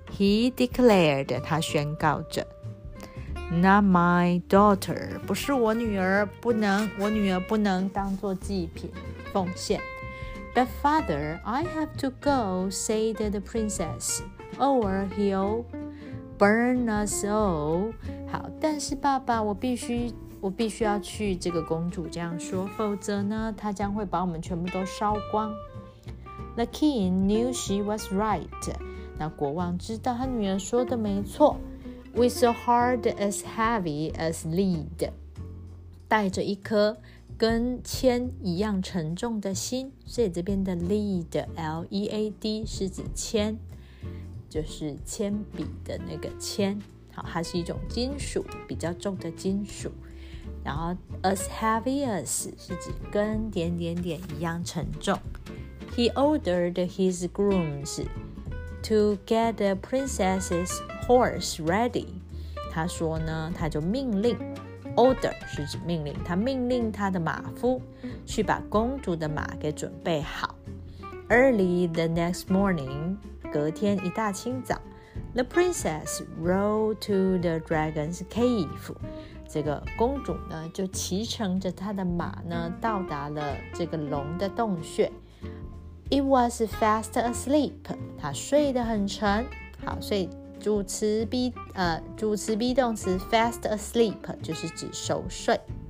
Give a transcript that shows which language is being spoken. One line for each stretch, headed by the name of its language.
English: He declared,
Chinese: 他宣告着。
English: Not my daughter,
Chinese: 不是我女儿，不能，我女儿不能当作祭品奉献。
English: But father, I have to go, said the princess. Or he'll burn us all.
Chinese: 好，但是爸爸，我必须要去。这个公主这样说，否则呢，她将会把我们全部都烧光。 The king knew she was right. 那国王知道他女儿说的没错。
English: With a heart as heavy as lead,
Chinese: 带着一颗跟铅一样沉重的心。所以这边的 lead, L-E-A-D 是指铅。就是铅笔的那个铅，好，它是一种金属，比较重的金属。然后 as heavy as 是指跟点点点一样沉重。
English: He ordered his grooms to get the princess's horse ready.
Chinese: 他说呢，他就命令 order 是指命令，他命令他的马夫去把公主的马给准备好。
English: Early the next morning.
Chinese: 隔天一大清早
English: The princess rode to the dragon's cave
Chinese: 这个公主呢就骑乘着她的马呢到达了这个龙的洞穴
English: It was fast asleep
Chinese: 她睡得很沉好所以主词be 动词 fast asleep 就是指熟睡